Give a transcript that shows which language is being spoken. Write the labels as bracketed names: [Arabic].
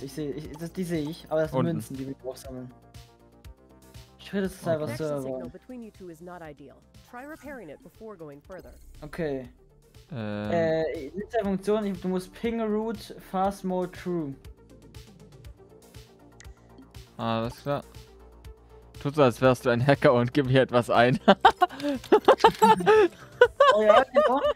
[German] Die sehe ich, aber das sind unten. Münzen, die wir drauf sammeln. Ich rede jetzt einfach Server. [English] Signal between you two is not ideal. Try repairing it before going further. [German] Okay. Letzte Funktion, du musst ping root fast mode true. Alles klar. Tut so, als wärst du ein Hacker und gib mir etwas ein. Oh ja, genau.